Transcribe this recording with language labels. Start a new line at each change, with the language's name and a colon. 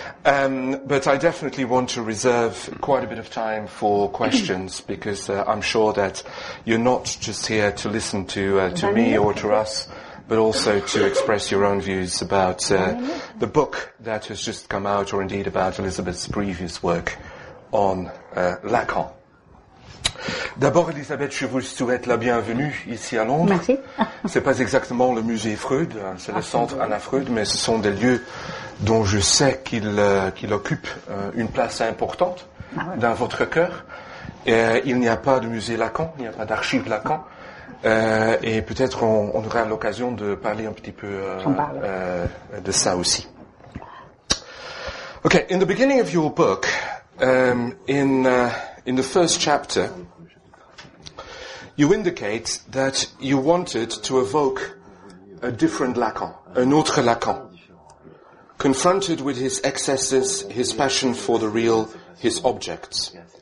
English: But I definitely want to reserve quite a bit of time for questions, because I'm sure that you're not just here to listen to me or to us, but also to express your own views about the book that has just come out, or indeed about Elisabeth's previous work on Lacan.
French: D'abord, Elisabeth, je vous souhaite la bienvenue ici à Londres. Merci. C'est pas exactement le musée Freud, c'est le centre Anna Freud, mais ce sont des lieux dont je sais qu'il occupe une place importante dans votre cœur. Et, il n'y a pas de musée Lacan, il n'y a pas d'archives Lacan. Et peut-être on aura l'occasion de parler un petit peu de ça aussi.
English: Okay, in the beginning of your book, in the first chapter, you indicate that you wanted to evoke a different Lacan,
French: un autre Lacan,
English: confronted with his excesses, his passion for the real, his objects.